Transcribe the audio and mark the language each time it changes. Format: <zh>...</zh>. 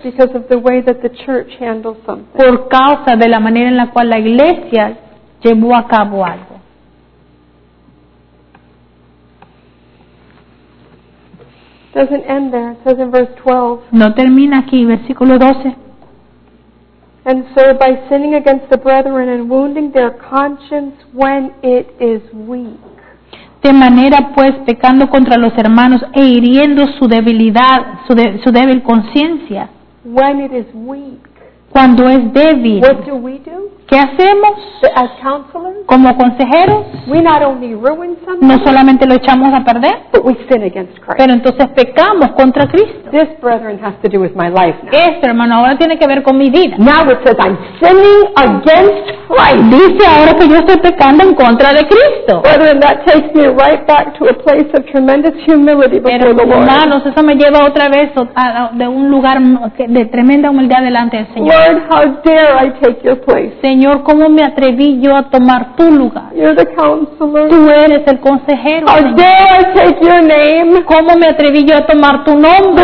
<en>Because of the way that the church handled something.</en> <es>Por causa de la manera en la cual la iglesia llevó a cabo algo.</es> <en>Doesn't end there. It says in verse 12.</en> <es>No termina aquí, versículo 12.</es> <en>And so by sinning against the brethren and wounding their conscience when it is weak.</en> <es>De manera pues, pecando contra los hermanos e hiriendo su debilidad, su débil conciencia.</es> <en>When it is weak.</en> <es>Cuando es débil,</es> <en>what do we do?</en> <es>¿Qué hacemos?</es> <en>As counselors,</en> <es>como consejeros,</es> <en>we not only ruin somebody,</en> <es>no solamente lo echamos a perder,</es> <en>but we sin against Christ.</en> <es>Pero entonces pecamos contra Cristo.</es> <en>This brethren has to do with my life now.</en> <es>Este hermano ahora tiene que ver con mi vida.</es> <en>Now it says I'm sinning against Christ.</en> <es>Dice ahora que yo estoy pecando en contra de Cristo.</es> <en>Brethren, that takes me right back to a place of tremendous humility before the Lord.</en> <es>Hermanos, eso me lleva otra vez de un lugar de tremenda humildad delante del Señor.</es> <en>Lord, how dare I take your place?</en> <es>Señor, ¿cómo me atreví yo a tomar tu lugar?</es> <en>You're the counselor.</en> <es>Tú eres el consejero.</es> <en>How dare I take your name?</en> <es>¿Cómo me atreví yo a tomar tu nombre?</es>